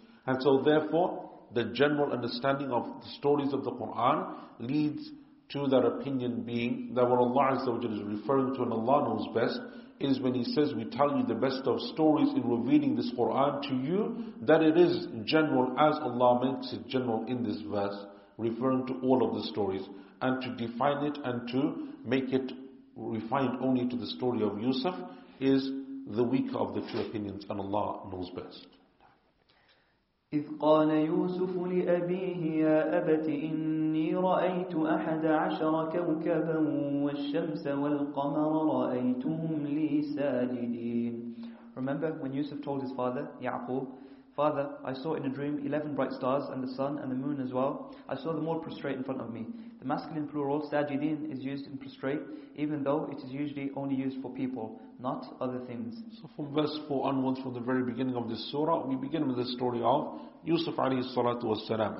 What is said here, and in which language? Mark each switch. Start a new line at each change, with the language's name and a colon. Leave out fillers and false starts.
English: And so therefore, the general understanding of the stories of the Quran leads to that opinion being that what Allah Azza wa Jalla is referring to, and Allah knows best, is when He says, we tell you the best of stories in revealing this Quran to you, that it is general as Allah makes it general in this verse, referring to all of the stories. And to define it and to make it refined only to the story of Yusuf is the weaker of the two opinions, and Allah knows best.
Arabic: إذ قال يوسف لأبيه يا أبت إني رأيت أحد عشر كوكبا والشمس والقمر رأيتهم لي ساجدين.
English: Remember when Yusuf told his father, Yaqub, Father, I saw in a dream 11 bright stars and the sun and the moon as well. I saw them all prostrate in front of me. The masculine plural, ساجدين, is used in prostrate, even though it is usually only used for people. not other things. So from verse 4 onwards, from the very beginning of this surah, we begin with the story of Yusuf alayhi salatu wasalam.